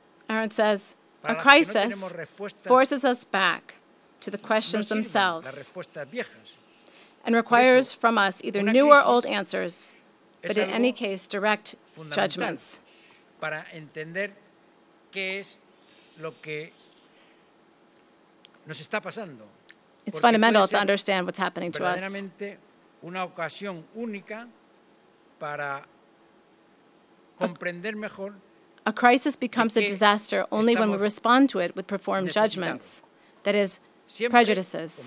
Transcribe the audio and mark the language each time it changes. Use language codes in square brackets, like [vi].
[en] Arendt says, a crisis forces us back to the questions themselves and requires from us either new or old answers, but in any case, direct judgments. [es] Para entender qué es lo que nos está pasando. [en] It's fundamental to understand what's happening to us. [es] Una ocasión única para comprender mejor. [en] A crisis becomes a disaster only when we respond to it with performed judgments, that is, prejudices.